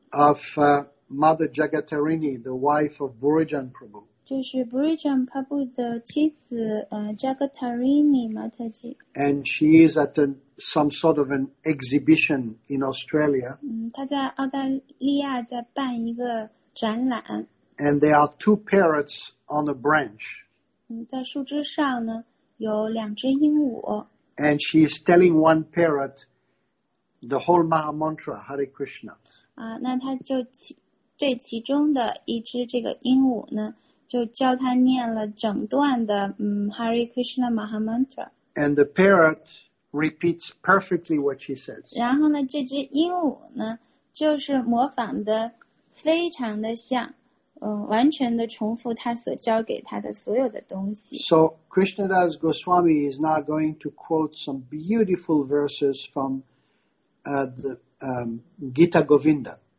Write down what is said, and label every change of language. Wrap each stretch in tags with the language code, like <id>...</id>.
<en>Of Mother Jagatarini, the wife of Burijan Prabhu.</en> <zh>就是 Burijan Prabhu 的妻子Jagatarini Mataji.</zh> <en>And she is at some sort of an exhibition in Australia.</en> <zh>嗯，她在澳大利亚在办一个展览。</zh> <en>And there are two parrots on a branch.</en> <zh>嗯，在树枝上呢有两只鹦鹉。</zh> <en>And she is telling one parrot the whole Maha Mantra Hare Krishna.</en> <zh>啊，那她就对其中的一只这个鹦鹉呢。就教他念了整段的Hare Krishna Maha Mantra.</zh> <en>And the parrot repeats perfectly what she says.</en> <zh>然后呢，这只鹦鹉呢，就是模仿的非常的像，完全的重复他所教给他的所有的东西。</zh> <en>So Krishnadas Goswami is now going to quote some beautiful verses from Gita Govinda.</en>